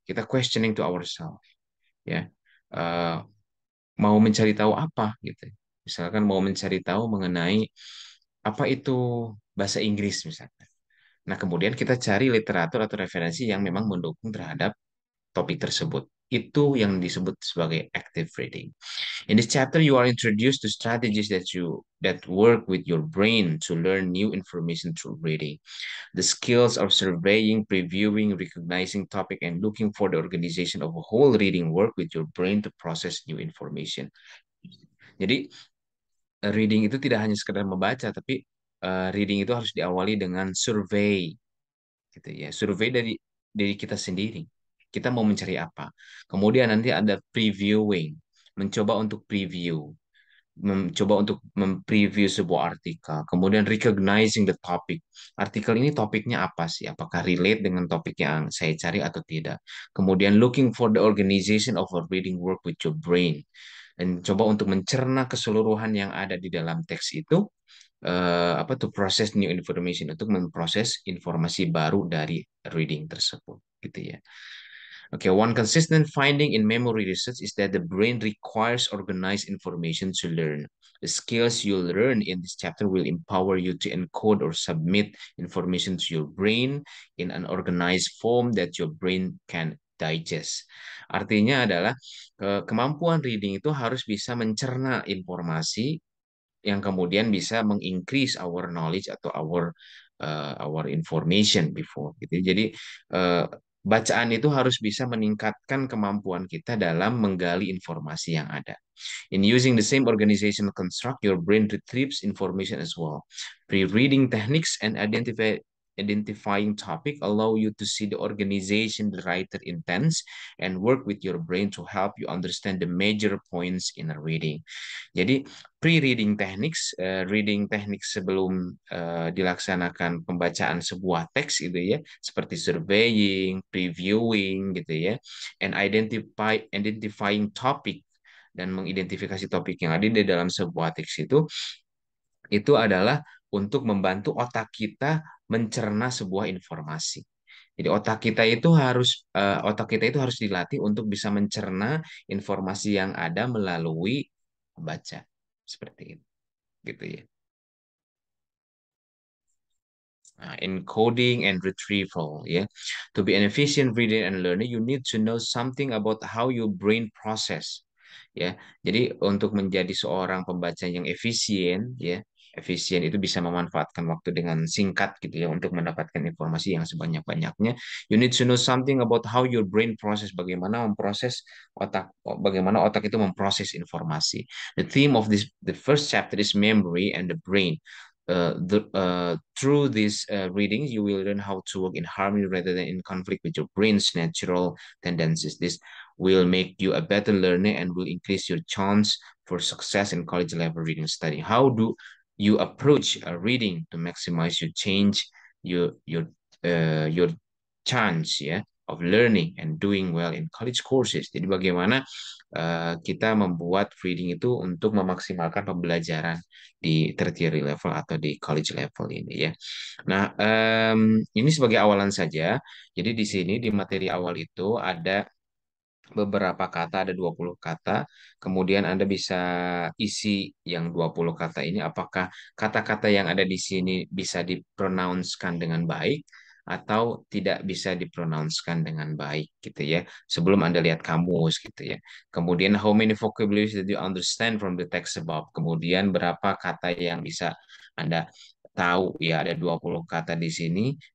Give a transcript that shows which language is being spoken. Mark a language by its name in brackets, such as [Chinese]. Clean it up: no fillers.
[Indonesian] Kita [English] questioning to ourselves, [Indonesian] ya. Mau mencari tahu apa gitu. Misalkan mau mencari tahu mengenai apa itu bahasa Inggris misalkan. Nah, kemudian kita cari literatur atau referensi yang memang mendukung terhadap topik tersebut. Itu yang disebut sebagai active reading. [English] In this chapter you are introduced to strategies that work with your brain to learn new information through reading. The skills of surveying, previewing, recognizing topic and looking for the organization of a whole reading work with your brain to process new information. [Indonesian] Jadi reading itu tidak hanya sekedar membaca, tapi reading itu harus diawali dengan survey. Gitu ya, survey dari kita sendiri. Kita mau mencari apa. Kemudian nanti ada previewing. Mencoba untuk preview. Mencoba untuk mempreview sebuah artikel. Kemudian [English] recognizing the topic. [Indonesian] Artikel ini topiknya apa sih? Apakah relate dengan topik yang saya cari atau tidak? [English] Kemudian looking for the organization of a reading work with your brain. [Indonesian] Dan coba untuk mencerna keseluruhan yang ada di dalam teks itu. [English] To process new information. [Indonesian] Untuk memproses informasi baru dari reading tersebut. Gitu ya. [English] Okay, one consistent finding in memory research is that the brain requires organized information to learn. The skills you learn in this chapter will empower you to encode or submit information to your brain in an organized form that your brain can digest. [Indonesian] Artinya adalah kemampuan reading itu harus bisa mencerna informasi yang kemudian bisa meng-increase [English] our knowledge [Indonesian] atau [English] our information before. [Indonesian] Gitu. Jadi bacaan itu harus bisa meningkatkan kemampuan kita dalam menggali informasi yang ada. [English] In using the same organization construct, your brain retrieves information as well. Pre-reading techniques and identifying topic allow you to see the organization the writer intends and work with your brain to help you understand the major points in a reading. [Indonesian] Jadi, reading techniques sebelum dilaksanakan pembacaan sebuah teks gitu ya, seperti surveying, previewing gitu ya, [English] and identifying topic [Indonesian] dan mengidentifikasi topik yang ada di dalam sebuah teks itu adalah untuk membantu otak kita mencerna sebuah informasi. Jadi otak kita itu harus dilatih untuk bisa mencerna informasi yang ada melalui membaca. Seperti itu. Gitu ya. [English] Encoding and retrieval, yeah. To be an efficient reader and learner, you need to know something about how your brain process, yeah. [Indonesian] Jadi untuk menjadi seorang pembaca yang efisien, yeah. Efisien itu bisa memanfaatkan waktu dengan singkat gitu ya untuk mendapatkan informasi yang sebanyak-banyaknya. [English] You need to know something about how your brain process, [Indonesian] bagaimana otak itu memproses informasi. [English] The theme of the first chapter is memory and the brain. Through this reading, you will learn how to work in harmony rather than in conflict with your brain's natural tendencies. This will make you a better learner and will increase your chance for success in college level reading study. How do you approach a reading to maximize your change, your chance ya, of learning and doing well in college courses. [Indonesian] Jadi bagaimana kita membuat reading itu untuk memaksimalkan pembelajaran di tertiary level atau di college level ini ya. Nah, ini sebagai awalan saja. Jadi di sini di materi awal itu ada beberapa kata, ada 20 kata. Kemudian Anda bisa isi yang 20 kata ini. Apakah kata-kata yang ada di sini bisa dipronounskan dengan baik atau tidak bisa dipronounskan dengan baik gitu ya. Sebelum Anda lihat kamus gitu ya. [English] Kemudian how many vocabulary that you understand from the text above. [Indonesian] Kemudian berapa kata yang bisa Anda tahu ya, ada 20 kata di sini.